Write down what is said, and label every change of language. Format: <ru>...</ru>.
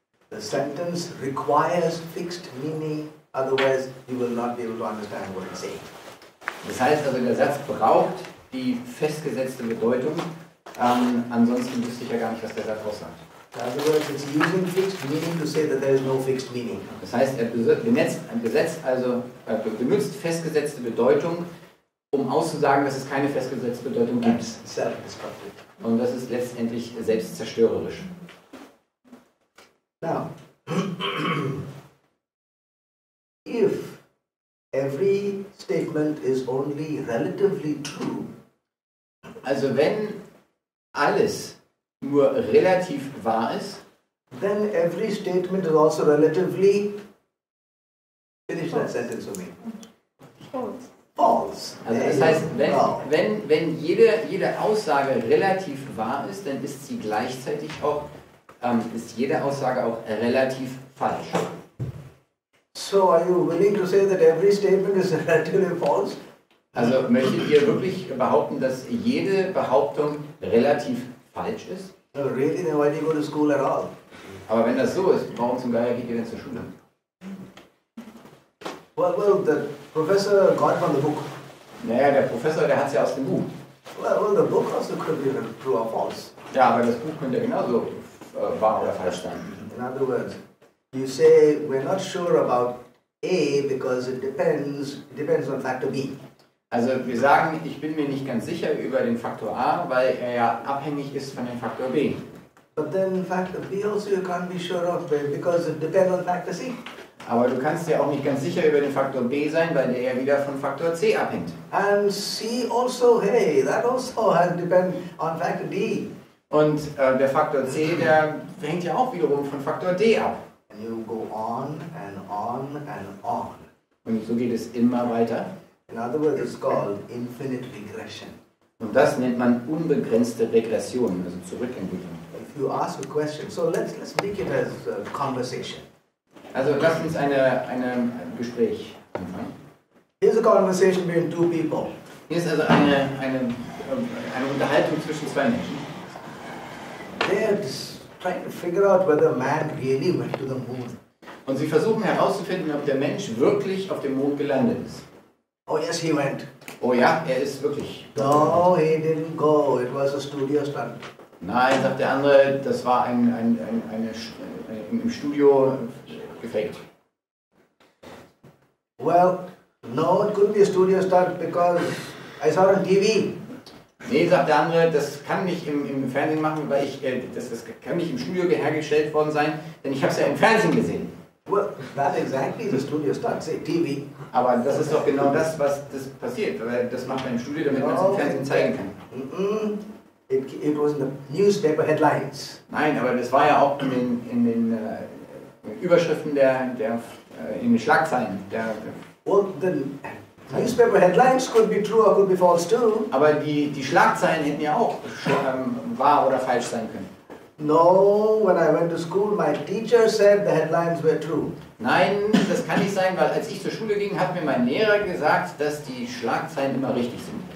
<en>The sentence requires fixed meaning, otherwise you will not be able to understand what it's saying.</en> <de>Das heißt also, der Satz braucht die festgesetzte Bedeutung, ansonsten wüsste ich ja gar nicht, was der Satz aussagt.</de> <en>In other words, it's using fixed meaning to say that there is no fixed meaning.</en> <de>Das heißt, er benutzt festgesetzte Bedeutung, um auszusagen, dass es keine festgesetzte Bedeutung gibt.</de> <en>Self-destructive.</en> <de>Und das ist letztendlich selbstzerstörerisch.</de> <en>Now, if every statement is only relatively true,</en> <de>also wenn alles nur relativ wahr ist,</de> <en>then every statement is also relatively, finish false. That sentence for me. False.</en> <de>Also das heißt, wenn jede Aussage relativ wahr ist, dann ist sie gleichzeitig auch, ist jede Aussage auch relativ falsch.</de> <en>So are you willing to say that every statement is relatively false?</en> <de>Also möchtet ihr wirklich behaupten, dass jede Behauptung relativ falsch ist?</de> <en>No, really, then why do you go to school at all?</en> <de>Aber wenn das so ist, warum zum Geier geht ihr denn zur Schule?</de> <en>Well, the professor got from the book.</en> <de>Naja, der Professor, der hat's ja aus dem Buch.</de> <en>Well, the book also could be true or false.</en> <de>Ja, aber das Buch könnte genauso wahr oder falsch sein.</de> <en>In other words, you say we're not sure about A because it depends on factor B.</en> <de>Also wir sagen, ich bin mir nicht ganz sicher über den Faktor A, weil er ja abhängig ist von dem Faktor B.</de> <en>But then factor B also you can't be sure of because it depends on factor C.</en> <de>Aber du kannst ja auch nicht ganz sicher über den Faktor B sein, weil der ja wieder von Faktor C abhängt.</de> <en>And C also, hey, that also has depend on factor D.</en> <de>Und der Faktor C, der hängt ja auch wiederum von Faktor D ab.</de> <en>And you go on and on and on.</en> <de>Und so geht es immer weiter.</de> <en>In other words, it's called infinite regression.</en> <de>Und das nennt man unbegrenzte Regression, also Zurückentwicklung.</de> <en>If you ask a question, so let's make it as a conversation.</en> <de>Also lass uns eine Gespräch anfangen.</de> <en>Here's a conversation between two people.</en> <de>Hier ist also eine Unterhaltung zwischen zwei Menschen.</de> <en>They're trying to figure out whether man really went to the moon.</en> <de>Und sie versuchen herauszufinden, ob der Mensch wirklich auf dem Mond gelandet ist.</de> <en>Oh yes, he went.</en> <de>Oh ja, er ist wirklich.</de> <en>No, he didn't go. It was a studio stunt.</en> <de>Nein, sagt der andere, das war im Studio gefaked.</de> <en>Well, no, it couldn't be a studio stunt because I saw it on TV.</en> <de>Nee, sagt der andere, das kann nicht im Fernsehen machen, weil ich das kann nicht im Studio hergestellt worden sein, denn ich habe es ja im Fernsehen gesehen.</de> <en>Well, that exactly is a studio stunt, say TV.</en> <de>Aber das ist doch genau das, was das passiert, weil das macht man im Studio, damit man es im Fernsehen zeigen kann.</de> <en>It was in the newspaper headlines.</en> <de>Nein, aber das war ja auch in den Überschriften in den Schlagzeilen</de> <en>Well, newspaper headlines could be true or could be false too.</en> <de>Aber die Schlagzeilen hätten ja auch schon wahr oder falsch sein können.</de> <en>No, when I went to school, my teacher said the headlines were true.</en> <de>Nein, das kann nicht sein, weil als ich zur Schule ging, hat mir mein Lehrer gesagt, dass die Schlagzeilen immer richtig sind.</de>